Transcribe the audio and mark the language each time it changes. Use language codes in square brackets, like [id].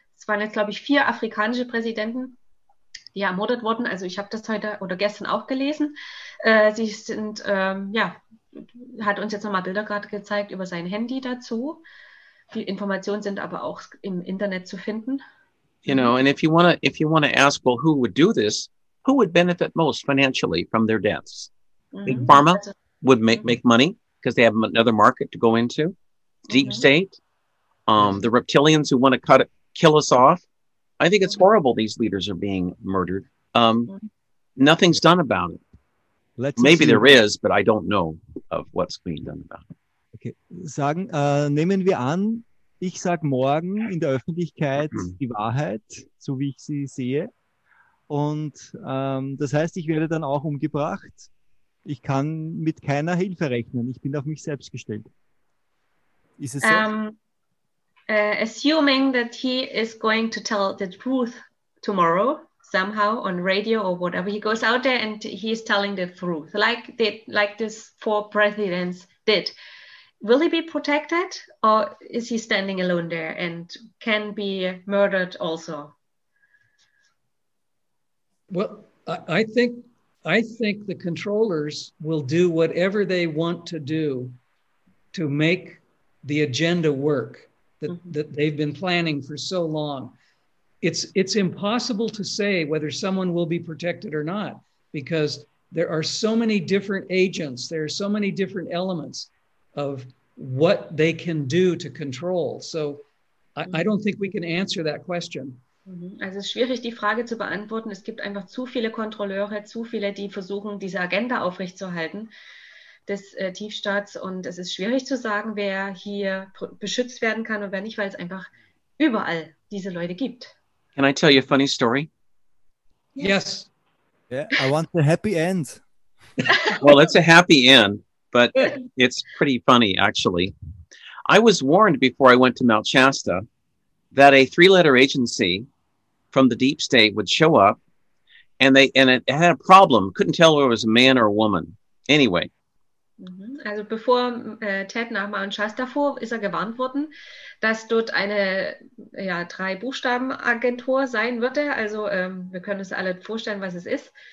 [de] Es waren jetzt, glaube ich, 4 afrikanische Präsidenten. Ja, ermordet worden. Also ich habe das heute oder gestern auch gelesen. Sie sind, ja, hat uns jetzt nochmal Bilder gerade gezeigt über sein Handy dazu. Die Informationen sind aber auch im Internet zu finden. [en] You know, and if you want to ask, well, who would do this, who would benefit most financially from their deaths? Big Pharma would make money because they have another market to go into. Deep State, the reptilians who want to kill us off. I think it's horrible these leaders are being murdered. Nothing's done about it. Maybe there is, but I don't know of what's being done about it. Okay. [de] Nehmen wir an, ich sage morgen in der Öffentlichkeit die Wahrheit, so wie ich sie sehe. Und das heißt, ich werde dann auch umgebracht. Ich kann mit keiner Hilfe rechnen. Ich bin auf mich selbst gestellt. Ist es so? [en] Assuming that he is going to tell the truth tomorrow, somehow on radio or whatever, he goes out there and he is telling the truth, like this four presidents did. Will he be protected, or is he standing alone there and can be murdered also? Well, I think the controllers will do whatever they want to do to make the agenda work that, that they've been planning for so long. It's impossible to say whether someone will be protected or not, because there are so many different agents, there are so many different elements of what they can do to control. So I don't think we can answer that question. [de] Also es ist schwierig, die Frage zu beantworten. Es gibt einfach zu viele Kontrolleure, zu viele, die versuchen, diese Agenda aufrechtzuerhalten des Tiefstaats. Und es ist schwierig zu sagen, wer hier beschützt werden kann und wer nicht, weil es einfach überall diese Leute gibt. [en] Can I tell you a funny story? Yes. Yeah, I want the happy end. Well, it's a happy end, but it's pretty funny, actually. I was warned before I went to Mount Shasta that a three-letter agency from the deep state would show up, and it had a problem. Couldn't tell whether it was a man or a woman. Anyway. [de] Also bevor Ted nach Mount Shasta fuhr, ist er gewarnt worden, dass dort eine Drei-Buchstaben-Agentur sein würde. Also wir können uns alle vorstellen, was es ist.